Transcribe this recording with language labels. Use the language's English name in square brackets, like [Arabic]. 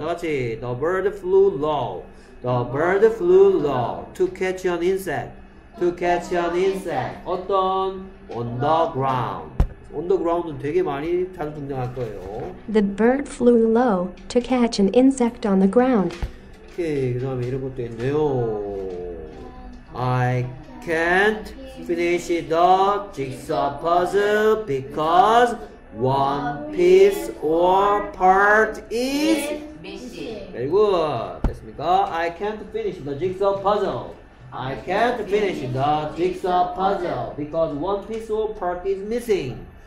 [Korean] 다 같이 [English] the bird flew low. The bird flew low to catch an insect. To catch an insect. [Korean] 어떤 [English] on the ground. On the ground [Korean] 은 되게 많이 자주 등장할 거예요. [English] The bird flew low to catch an insect on the ground. [Korean] 오케이, 그 다음에 이런 것도 있네요. [English] I can't finish the jigsaw puzzle because one piece or part is missing. Very good. [Korean] 됐습니까? [English] I can't finish the jigsaw puzzle. I can't finish the jigsaw puzzle because one piece or part is missing.